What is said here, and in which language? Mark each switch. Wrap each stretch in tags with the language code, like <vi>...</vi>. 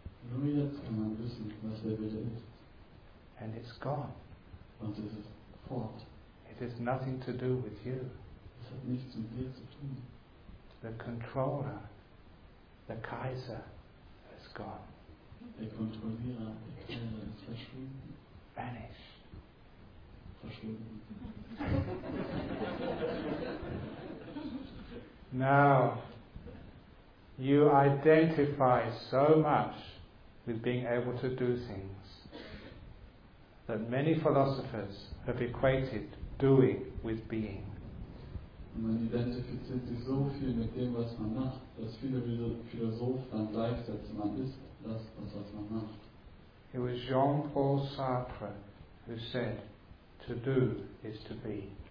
<de>Nur jetzt kann man wissen, was der Wille ist.</de> <en>And it's gone.</en> <de>Und es ist fort.</de> <en>It has nothing to do with you.</en> <de>Es hat nichts mit dir zu tun.</de> <en>The controller, the Kaiser, is gone.</en> <de>Der Kontrollierer, der Kaiser, ist verschwunden.</de> <en>Vanished. Now, you identify so much with being able to do things that many philosophers have equated doing with being.</en> <de>Man identifiziert sich so viel mit dem, was man macht, dass viele Philosophen dann gleichsetzen, man ist das, was man macht.</de> <en>It was Jean-Paul Sartre who said, to do is to be.</en>